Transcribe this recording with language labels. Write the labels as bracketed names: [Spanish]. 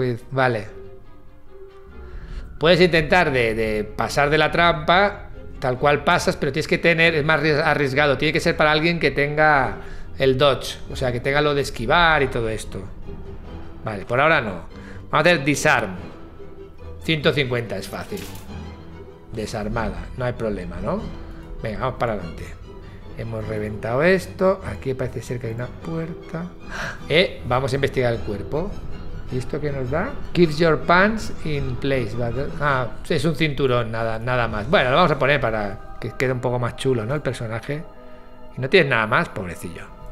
[Spanish] Vale. Puedes intentar de pasar de la trampa, tal cual pasas, pero tienes que tener, es más arriesgado, tiene que ser para alguien que tenga el dodge, o sea, que tenga lo de esquivar y todo esto. Vale, por ahora no. Vamos a hacer disarm. 150 es fácil. Desarmada, no hay problema, ¿no? Venga, vamos para adelante. Hemos reventado esto. Aquí parece ser que hay una puerta. Vamos a investigar el cuerpo. ¿Y esto qué nos da? [English] Keeps your pants in place. [Spanish] Ah, es un cinturón, nada más. Bueno, lo vamos a poner para que quede un poco más chulo, ¿no? El personaje. Y no tienes nada más, pobrecillo.